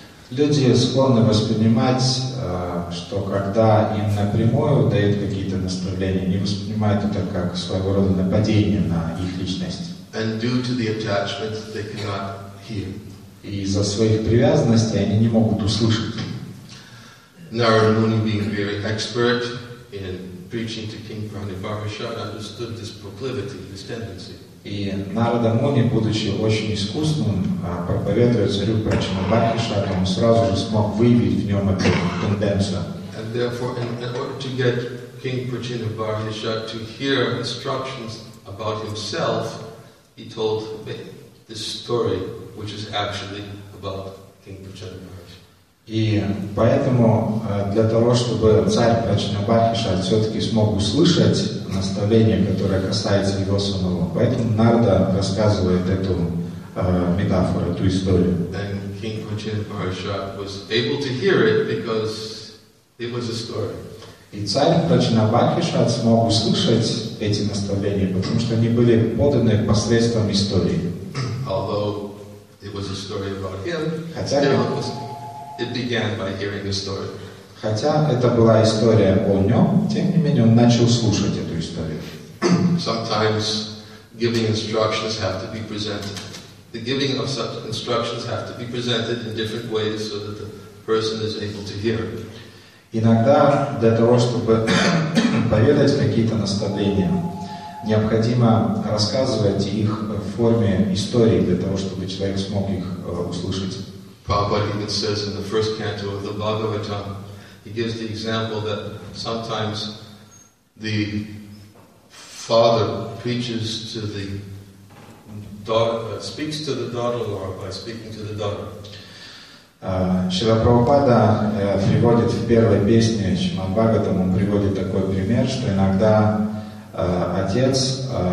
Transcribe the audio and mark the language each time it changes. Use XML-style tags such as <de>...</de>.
<ru>Люди склонны воспринимать, что когда им напрямую дают какие-то наставления, они воспринимают это как своего рода нападение на их личность.</ru> <en>And due to the attachment, they cannot hear.</en> <ru>И из-за своих привязанностей они не могут услышать.</ru> <en>Narada Muni, being very expert in preaching to King Pranibharashat, understood this proclivity, this tendency.</en> <ru>И Нарада Муни, будучи очень искусным, проповедуя царю Прачинабархишат, он сразу же смог выявить в нем эту тенденцию.</ru> <en>And therefore, in order to get King Prachinabharashat to hear instructions about himself, he told this story, which is actually about King Prachinabharashat.</en> <ru>И поэтому для того, чтобы царь Прачинабархишат все-таки смог услышать наставление, которое касается его самого, поэтому Нарда рассказывает эту метафору, эту историю.</ru> <en>And King Prachinabharashat was able to hear it because it was a story.</en> <ru>И царь Прачинабархишат смог услышать эти наставления, потому что они были поданы посредством истории.</ru> <en>Although it was a story about him, it began by hearing the story.</en> <ru>Хотя это была история о нем, тем не менее он начал слушать эту историю.</ru> <en>Sometimes giving instructions have to be presented. The giving of such instructions have to be presented in different ways so that the person is able to hear.</en> <ru>Иногда для того, чтобы поведать какие-то наставления, необходимо рассказывать их в форме истории для того, чтобы человек смог их услышать.</ru> <en>Prabhupada even says in the first canto of the Bhagavatam, he gives the example that sometimes the father preaches to the daughter, speaks to the daughter-in-law by speaking to the daughter.</en> <ru>Шрила Прабхупада приводит в первой песне Шримад Бхагаватам, он приводит такой пример, что иногда отец...</ru>